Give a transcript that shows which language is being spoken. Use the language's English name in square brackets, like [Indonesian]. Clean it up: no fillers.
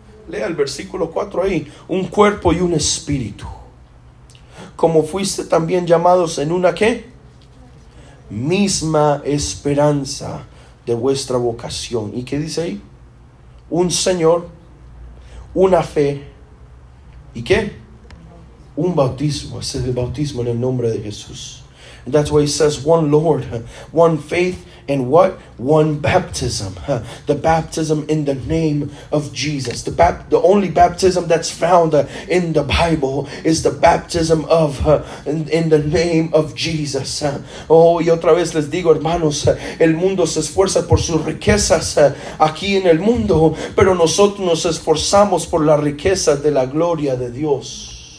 [Spanish] Lea el versículo 4 ahí. Un cuerpo y un espíritu, como fuiste también llamados en una, ¿qué? Misma esperanza de vuestra vocación. ¿Y qué dice ahí? Un Señor, una fe, ¿y qué? Un bautismo. Es el bautismo en el nombre de Jesús. [English] And that's why he says one Lord, one faith. And what? One baptism. The baptism in the name of Jesus. The only baptism that's found in the Bible is the baptism of in the name of Jesus. [Spanish] Oh, y otra vez les digo, hermanos, el mundo se esfuerza por sus riquezas aquí en el mundo, pero nosotros nos esforzamos por la riqueza de la gloria de Dios.